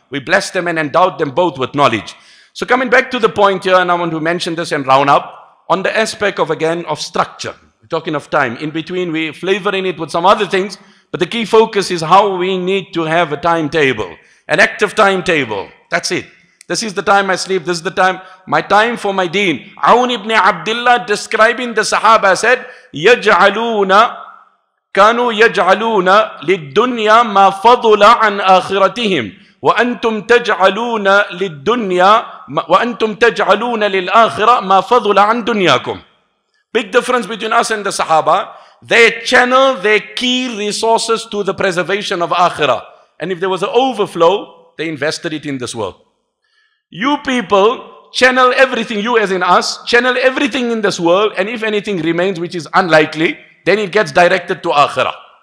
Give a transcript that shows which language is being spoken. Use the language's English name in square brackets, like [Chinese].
[English] We blessed them and endowed them both with knowledge. So coming back to the point here, and I want to mention this and round up on the aspect of, again, of structure. Talking of time, in between we flavoring it with some other things, but the key focus is how we need to have a timetable, an active timetable. That's it. This is the time I sleep, this is the time, my time for my deen. Aun ibn Abdullah, describing the Sahaba, said, [Arabic] يَجْعَلُونَ كَانُوا يَجْعَلُونَ لِلدُّنْيَا مَا فَضُلَ عَنْ آخِرَتِهِمْ وَأَنْتُمْ تَجْعَلُونَ لِلدُّنْيَا وَأَنْتُمْ تَجْعَلُونَ لِلْآخِرَةِ مَا فَضُلَ عَنْ دُنْيَاكُمْ. [English] Big difference between us and the Sahaba. They channel their key resources to the preservation of Akhirah. And if there was an overflow, they invested it in this world. You people channel everything, you as in us, channel everything in this world. And if anything remains, which is unlikely, then it gets directed to Akhirah.